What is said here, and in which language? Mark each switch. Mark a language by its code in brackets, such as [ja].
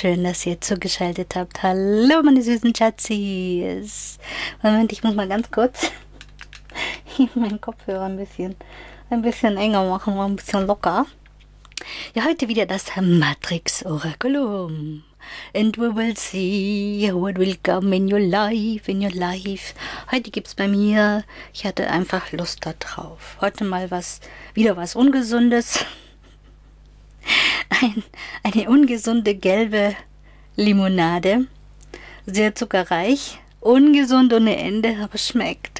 [de] Schön, dass ihr zugeschaltet habt. Hallo, meine süßen Schatzis. Moment, ich muss mal ganz kurz meinen Kopfhörer ein bisschen enger machen, mal ein bisschen locker. Ja, heute wieder das Matrix Orakulum. [en] And we will see what will come in your life. [de] Heute gibt's bei mir, ich hatte einfach Lust da drauf. Heute mal wieder was Ungesundes. Eine ungesunde gelbe Limonade. Sehr zuckerreich. Ungesund ohne Ende, aber schmeckt.